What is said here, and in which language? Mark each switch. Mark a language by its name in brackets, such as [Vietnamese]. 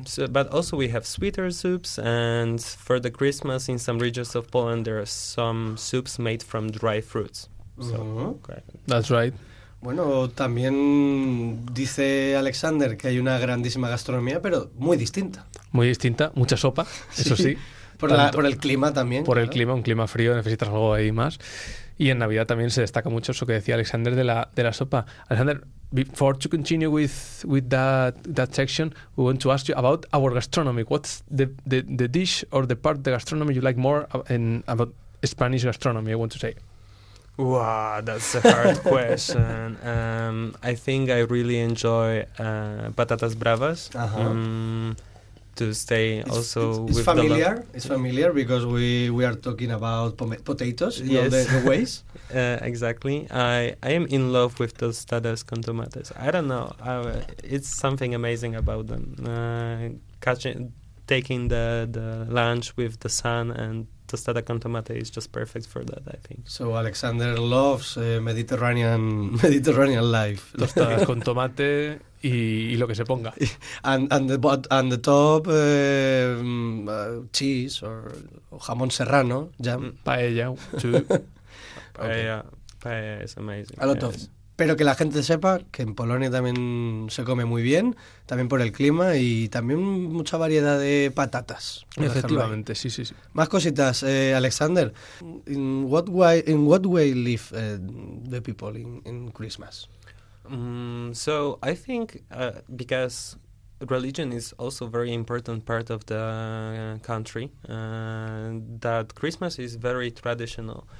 [English] But also we have sweeter soups, and for the Christmas in some regions of Poland, there are some soups made from dry fruits. That's right. [Spanish] Bueno, también dice Alexander que hay una grandísima gastronomía, pero muy distinta. Muy distinta, mucha sopa, eso sí. Por el clima también. Por el clima, un clima frío, necesitas algo ahí más. Y en Navidad también se destaca mucho eso que decía Alexander de la sopa. [English] Alexander, before to continue with that section, we want to ask you about our gastronomy. What's the dish or the part of the gastronomy you like more in about Spanish gastronomy, I want to say? Wow, that's a hard question. I think I really enjoy patatas bravas. Uh-huh. It's familiar because we are talking about potatoes, the ways. Exactly. I am in love with tostadas con tomates. I don't know. It's something amazing about them. Taking the lunch with the sun and tostada con tomate is just perfect for that, I think. So Alexander loves Mediterranean life. [Spanish] Tostadas con tomate y lo que se ponga. [English] And the top, cheese or jamón serrano, jam. Paella, too. Paella is amazing. A lot of. [Spanish] Pero que la gente sepa que en Polonia también se come muy bien, también por el clima y también mucha variedad de patatas. Efectivamente, sí, sí, sí. Más cositas, Alexander. [English] In what way live the people in Christmas? So I think because religion is also very important part of the country, that Christmas is very traditional.